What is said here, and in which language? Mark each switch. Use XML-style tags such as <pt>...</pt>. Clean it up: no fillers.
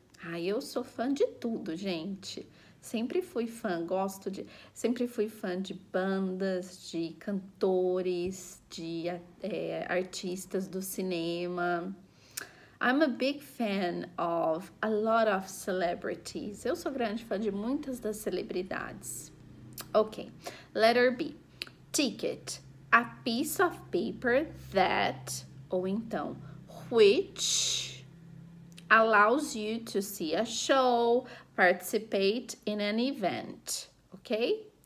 <pt>Ai, eu sou fã de tudo, gente. Sempre fui fã, gosto de. Sempre fui fã de bandas, de cantores, de artistas do cinema.</pt> <en>I'm a big fan of a lot of celebrities.</en> <pt>Eu sou grande fã de muitas das celebridades.</pt> <en>Ok, letter B, ticket, a piece of paper that,</en> <pt>ou então,</pt> <en>which, allows you to see a show, participate in an event, ok?</en>